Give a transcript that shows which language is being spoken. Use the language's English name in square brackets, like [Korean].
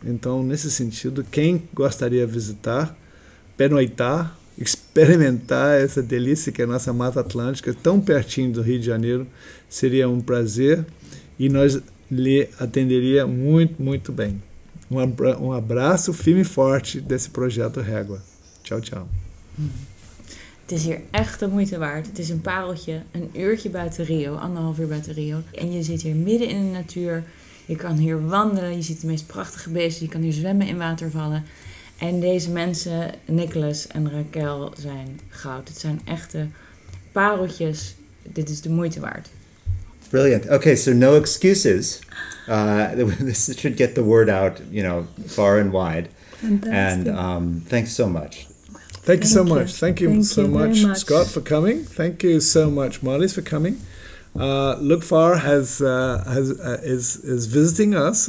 [Portuguese] Então, nesse sentido, quem gostaria de visitar, pernoitar, experimentar essa delícia que é a nossa Mata Atlântica, tão pertinho do Rio de Janeiro, seria um prazer e nós lhe atenderia muito, muito bem. Um abraço firme e forte desse projeto Régua. Tchau, tchau. [Dutch] Het is hier echt de moeite waard. Het is een pareltje, een uurtje buiten Rio, anderhalf uur buiten Rio. En je zit hier midden in de natuur. Je kan hier wandelen, je ziet de meest prachtige beesten. Je kan hier zwemmen in watervallen. En deze mensen, Nicolas en Raquel, zijn goud. Het zijn echte pareltjes. Dit is de moeite waard. [English] Brilliant. Okay, so no excuses. This should get the word out, you know, far and wide. Fantastic. And thanks so much. Thank you so much. Thank you so much, Scott, for coming. Thank you so much, Marlies, for coming. Lukvar is visiting us.